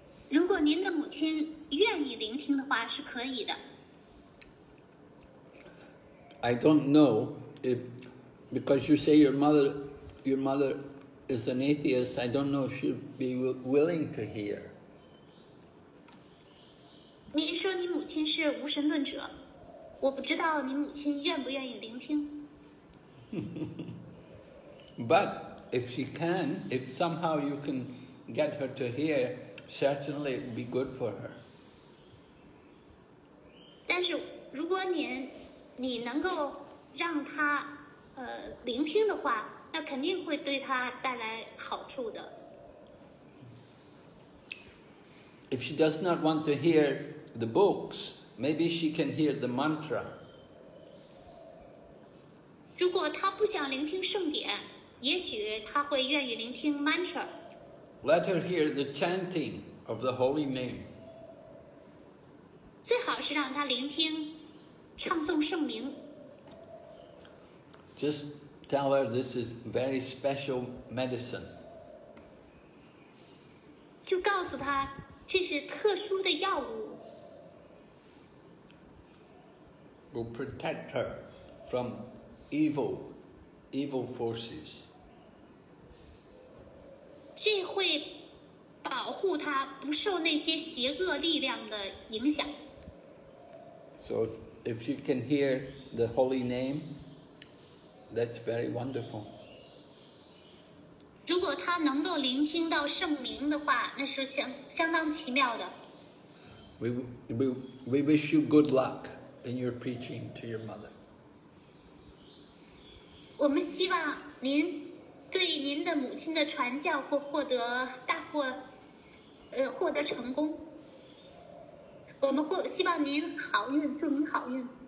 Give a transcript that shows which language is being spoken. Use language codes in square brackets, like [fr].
[zh] 如果您的母亲愿意聆听的话是可以的。 [en] I don't know if, because you say your mother is an atheist, I don't know if she'd be willing to hear. [zh] 您说您母亲是无神论者，我不知道您母亲愿不愿意聆听。 [en] But if she can, if somehow you can get her to hear, certainly it would be good for her. [zh] 但是如果你能够让她聆听的话，那肯定会对她带来好处的。 [en] If she does not want to hear the books, maybe she can hear the mantra. [zh] 如果她不想聆听圣典，也许他会愿意聆听 mantra。 [en] Let her hear the chanting of the holy name。 [zh] 最好是让他聆听唱诵圣名。 [en] Just tell her this is very special medicine。 [zh] 就告诉他这是特殊的药物。 [en] Will protect her from evil forces。 [zh] 这会保护他不受那些邪恶力量的影响。 [en] So if you can hear the holy name, that's very wonderful. [zh] 如果他能够聆听到圣名的话，那是相当奇妙的。 [en] We wish you good luck in your preaching to your mother. [zh] 我们希望您对您的母亲的传教会获得成功。我们希望您好运，祝您好运。